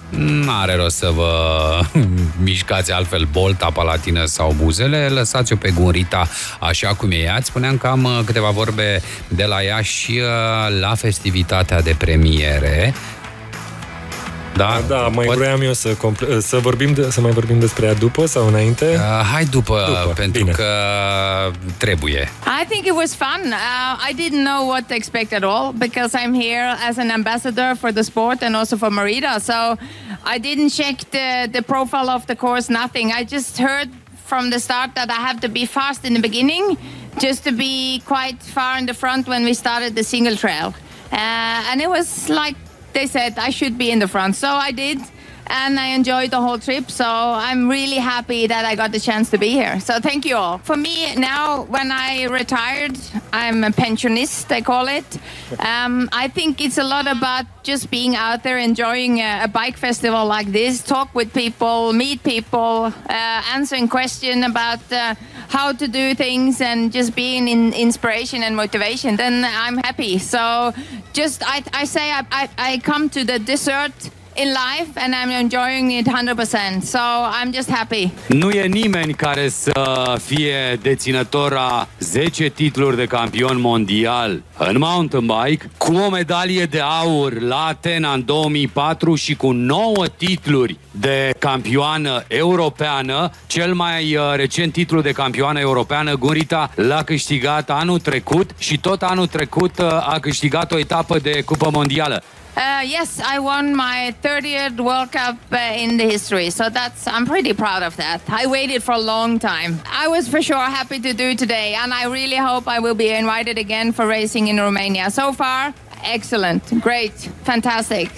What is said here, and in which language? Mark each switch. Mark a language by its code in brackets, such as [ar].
[ro] N-are rost să vă mișcați altfel bolta palatină sau buzele, lăsați-o pe Gunrita așa cum e ea. Spuneam că am câteva vorbe de la ea și la festivitatea de premiere. Da, da, mai vroiam eu să mai vorbim despre ea după sau înainte? Hai după. Pentru bine. Că trebuie. [en] I think it was fun. I didn't know what to expect at all because I'm here as an ambassador for the sport and also for Merida. So I didn't check the profile of the course, nothing. I just heard from the start that I have to be fast in the beginning just to be quite far in the front when we started the single trail. And it was like they said I should be in the front, so I did, and I enjoyed the whole trip, so I'm really happy that I got the chance to be here. So thank you all. For me now, when I retired, I'm a pensionist, they call it. I think it's a lot about just being out there, enjoying a bike festival like this, talk with people, meet people, answering questions about how to do things, and just being in inspiration and motivation, then I'm happy. So just I say I come to the dessert in life and I'm enjoying it 100%. So I'm just happy. [ro] Nu e nimeni care să fie deținător a 10 titluri de campion mondial în mountain bike, cu o medalie de aur la Atena în 2004 și cu 9 titluri de campioană europeană. Cel mai recent titlu de campioană europeană, Gunrita, l-a câștigat anul trecut și tot anul trecut a câștigat o etapă de cupă mondială. [en] Yes, I won my 30th World Cup in the history, so that's I'm pretty proud of that. I waited for a long time. I was for sure happy to do today, and I really hope I will be invited again for racing in Romania. So far, excellent, great, fantastic.